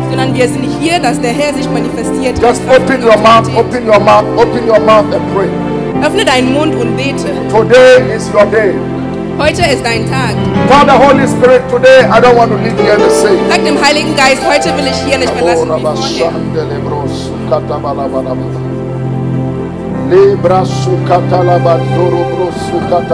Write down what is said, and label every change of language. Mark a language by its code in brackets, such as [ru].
[de] Sondern wir sind hier, dass der Herr sich manifestiert. [en] Just open your mouth, open your mouth, open your mouth and pray. [de] Öffne deinen Mund und bete. [en] Today is your day. [de] Heute ist dein Tag. [en] Tell the Holy Spirit today, I don't want to live here the same. [de] Sag dem Heiligen Geist, heute will ich hier nicht mehr lassen.